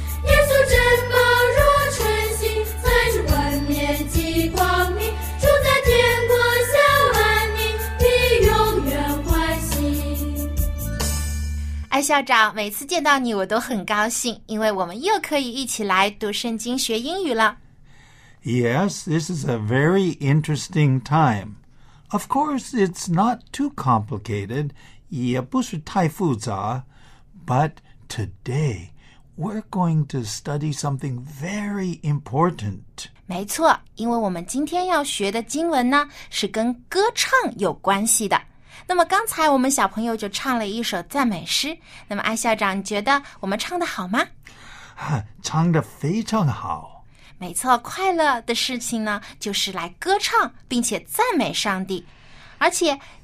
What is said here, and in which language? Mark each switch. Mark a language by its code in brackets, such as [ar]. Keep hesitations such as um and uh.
[zh] 耶稣真宝若存心，才是万年极光明。住在天国享安宁，必永远欢喜。艾校长，每次见到你，我都很高兴，因为我们又可以一起来读圣经、学英语了。 [en] Yes, this is a very interesting time. Of course, it's not too complicated. [zh] 也不是太复杂。 [en] But today, we're going to study something very important. [zh] 没错，因为我们今天要学的经文呢，是跟歌唱有关系的。那么刚才我们小朋友就唱了一首赞美诗。那么，艾校长，你觉得我们唱的好吗？唱的非常好。没错，快乐的事情呢，就是来歌唱，并且赞美上帝，而且。